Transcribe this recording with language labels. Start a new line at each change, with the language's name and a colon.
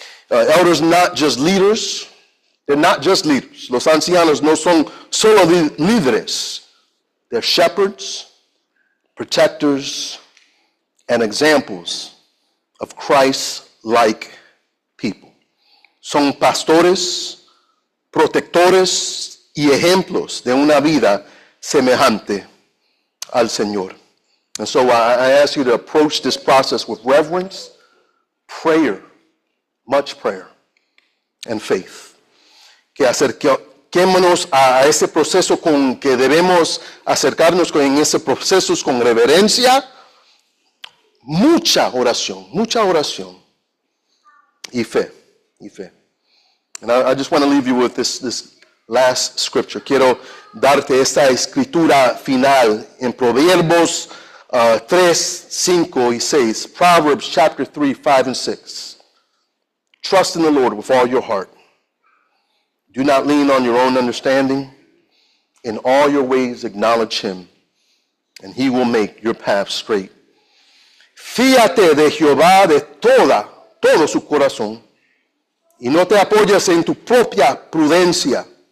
English: Elders not just leaders. They're not just leaders.
Spanish: Los ancianos no son solo líderes.
English: They're shepherds, protectors, and examples of Christ-like people.
Spanish: Son pastores, protectores, y ejemplos de una vida semejante al Señor.
English: And so I ask you to approach this process with reverence, prayer, much prayer, and faith.
Spanish: Que acerquémonos a ese proceso con que debemos acercarnos en ese proceso con reverencia, mucha oración, y fe, y fe.
English: And I just want to leave you with this last scripture.
Spanish: Quiero darte esta escritura final en Proverbios 3, 5 y 6.
English: Proverbs chapter 3, 5 and 6. Trust in the Lord with all your heart. Do not lean on your own understanding. In all your ways acknowledge him, and he will make your path straight.
Spanish: Fíate de Jehová de todo su corazón, y no te apoyes en tu propia prudencia.